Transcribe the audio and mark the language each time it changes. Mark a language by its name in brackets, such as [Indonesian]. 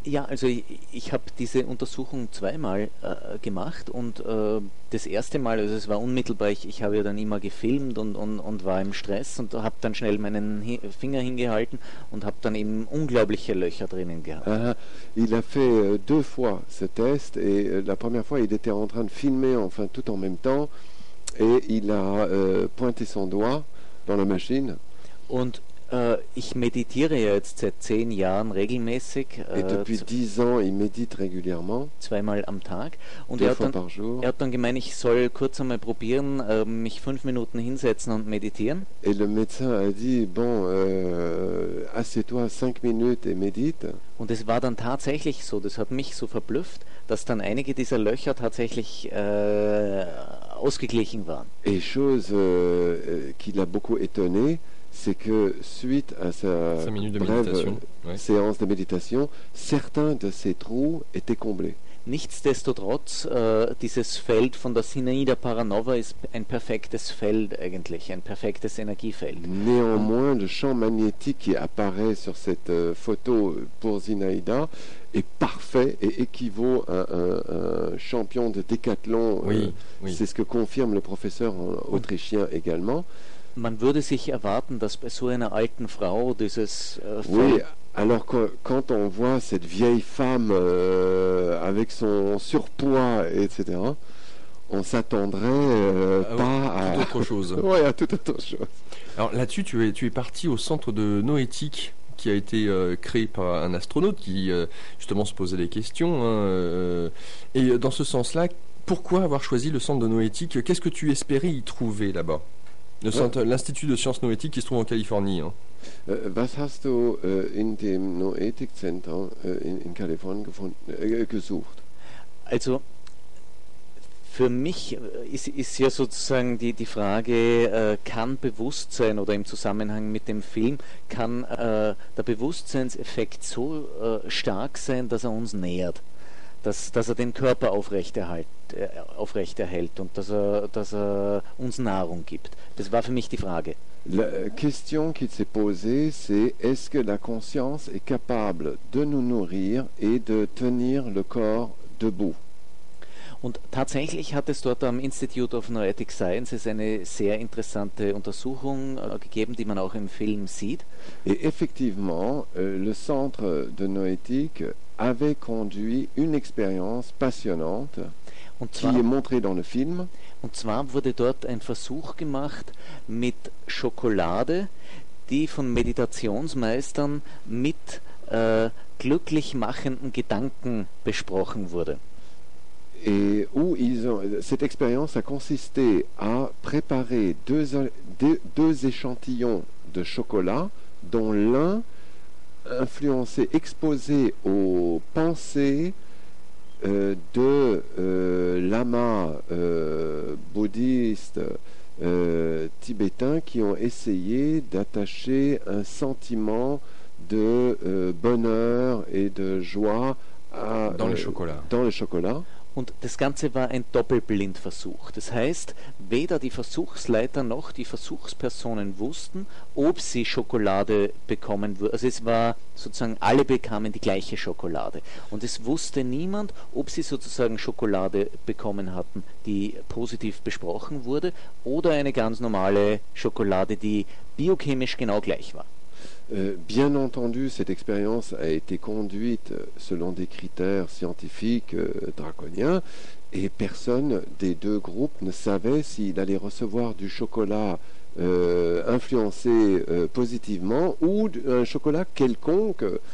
[German] Ja, also ich habe diese Untersuchung zweimal gemacht und das erste Mal, also es war unmittelbar, ich habe ja dann immer gefilmt und war im Stress und habe dann schnell meinen Finger hingehalten und habe dann eben unglaubliche Löcher drinnen gehabt. Aha. [French] Il a fait deux fois ce test et la première fois il était en train de filmer, enfin tout en même temps, et il a pointé son doigt dans la machine. [German] Und ich meditiere jetzt seit 10 Jahren regelmäßig. [French] Et depuis 10 ans, il médite régulièrement. [German] Zweimal am Tag. Und [French] deux fois par jour. [German] Er hat dann gemeint, ich soll kurz einmal probieren, mich 5 Minuten hinsetzen und meditieren. [French] Et le médecin a dit, bon, assieds-toi 5 minutes et médite. [German] Und es war dann tatsächlich so, das hat mich so verblüfft, dass dann einige dieser Löcher tatsächlich ausgeglichen waren. [French] Et chose qui l'a beaucoup étonné, c'est que suite à sa brève séance de méditation, certains de ces trous étaient comblés. [German] Nichtsdestotrotz, dieses Feld von der Sinaida Paranova ist ein perfektes Feld eigentlich, ein perfektes Energiefeld. [French] Néanmoins, le champ magnétique qui apparaît sur cette photo pour Zinaida est parfait et équivaut à un champion de décathlon. Oui, oui. C'est ce que confirme le professeur autrichien également. [German] Man würde sich erwarten, dass bei so einer alten Frau dieses [French] Oui, alors quand on voit cette vieille femme avec son surpoids, etc., on s'attendrait pas à toute autre chose. Oui, à toute autre chose. Alors là-dessus, tu es parti au centre de Noétique, qui a été créé par un astronaute qui justement se posait des questions. Hein, et dans ce sens-là, pourquoi avoir choisi le centre de Noétique? Qu'est-ce que tu espérais y trouver là-bas? L'Institut de Sciences Noétiques qui se trouve en Californie. Hein. [German] Was hast du in dem Noetikzentrum in Kalifornien gesucht? Also, für mich ist ja sozusagen die Frage, kann Bewusstsein oder im Zusammenhang mit dem Film, kann der Bewusstseinseffekt so stark sein, dass er uns nähert? Dass er den Körper aufrechterhält und dass er uns Nahrung gibt. Das war für mich die Frage. [French] La question qui s'est posée, c'est est-ce que la conscience est capable de nous nourrir et de tenir le corps debout? [German] Und tatsächlich hat es dort am Institute of Noetic Sciences eine sehr interessante Untersuchung gegeben, die man auch im Film sieht. [French] Et effectivement, le centre de Noétique avait conduit une expérience passionnante qui est montrée dans le film. [German] Und zwar wurde dort ein Versuch gemacht mit Schokolade, die von Meditationsmeistern mit glücklich machenden Gedanken besprochen wurde. [French] Et où ils ont, cette expérience a consisté à préparer deux échantillons de chocolat, dont l'un influencé, exposé aux pensées de lamas bouddhistes tibétains qui ont essayé d'attacher un sentiment de bonheur et de joie dans le chocolat. [German] Und das Ganze war ein Doppelblindversuch. Das heißt, weder die Versuchsleiter noch die Versuchspersonen wussten, ob sie Schokolade bekommen würden. Also es war sozusagen, alle bekamen die gleiche Schokolade. Und es wusste niemand, ob sie sozusagen Schokolade bekommen hatten, die positiv besprochen wurde, oder eine ganz normale Schokolade, die biochemisch genau gleich war. [French] Bien entendu, cette expérience a été conduite selon des critères scientifiques draconiens et personne des deux groupes ne savait s'il allait recevoir du chocolat influencer positivement, ou un chocolat quelconque.